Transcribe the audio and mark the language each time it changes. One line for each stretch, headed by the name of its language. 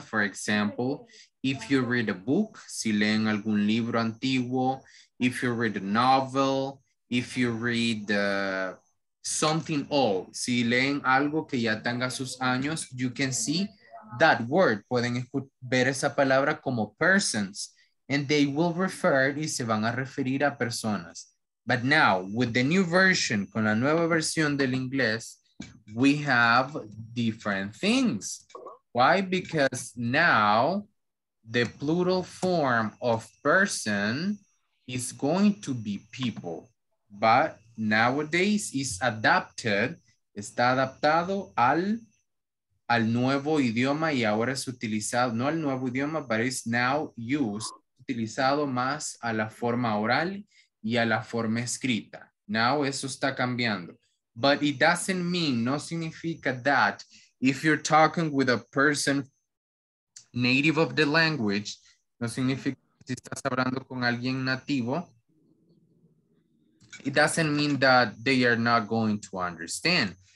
English: For example, if you read a book,
Spanish: si leen algún libro antiguo,
English: if you read a novel, if you read something old,
Spanish: si leen algo que ya tenga sus años,
English: you can see that word.
Spanish: Pueden ver esa palabra como persons,
English: and they will refer,
Spanish: y se van a referir a personas.
English: But now, with the new version,
Spanish: con la nueva versión del inglés,
English: we have different things. Why? Because now the plural form of person is going to be people. But nowadays is adapted,
Spanish: está adaptado al nuevo idioma y ahora es utilizado, no al nuevo idioma,
English: but it's now used,
Spanish: utilizado más a la forma oral y a la forma escrita. Now eso está cambiando.
English: But it doesn't mean,
Spanish: no significa
English: that if you're talking with a person native of the language,
Spanish: no significa si estás hablando con alguien nativo,
English: it doesn't mean that they are not going to understand.